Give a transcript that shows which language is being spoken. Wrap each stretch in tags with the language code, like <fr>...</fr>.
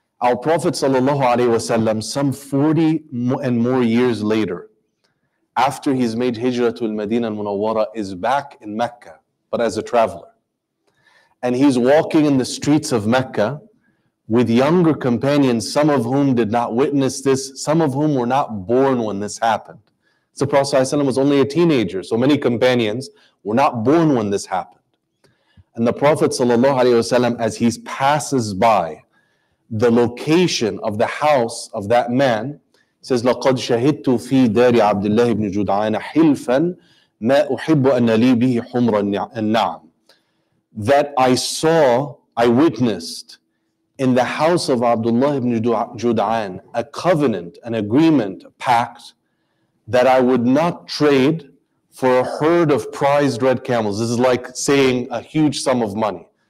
<en>Our Prophet sallallahu alaihi wasallam, some 40 and more years later, after he's made Hijrah to al-Madinah al-Munawwara, is back in Mecca, but as a traveler. And he's walking in the streets of Mecca with younger companions, some of whom did not witness this, some of whom were not born when this happened. So Prophet ﷺ was only a teenager, so many companions were not born when this happened. And the Prophet ﷺ, as he passes by the location of the house of that man, says,</en> <ar>لَقَدْ شَهِدْتُ فِي دَارِ عَبْدِ اللَّهِ بْنِ جُدْعَانَ حِلْفًا مَا أُحِبُّ أَنَّ لِي بِهِ حُمْرَ النَّعْمِ.</ar> <en>That I witnessed in the house of Abdullah ibn Judayan a covenant, an agreement, a pact, that I would not trade for a herd of prized red camels. This is like saying a huge sum of money,</en>